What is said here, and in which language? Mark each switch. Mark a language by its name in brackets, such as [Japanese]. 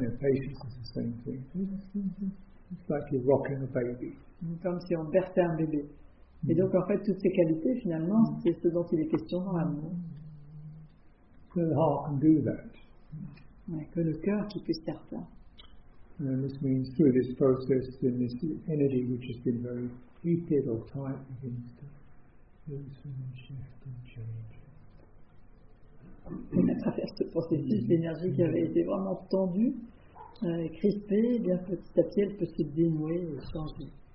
[English] Yeah, patience is the same thing. It's like you're rocking a baby. [French] Comme si on berçait un bébé. Et donc, en fait, toutes ces qualités, finalement, c'est ce dont il est question dans l'amour. [English] So the heart can do that. [French] Ouais, que le cœur qui puisse faire ça. [English] And this means through this process, then this energy which has been very heated or tight begins to loosen and shift and change. [French] Et à travers ce processus, l'énergie qui avait été vraiment tendue, crispée, bien petit à petit, elle peut se dénouer et changer.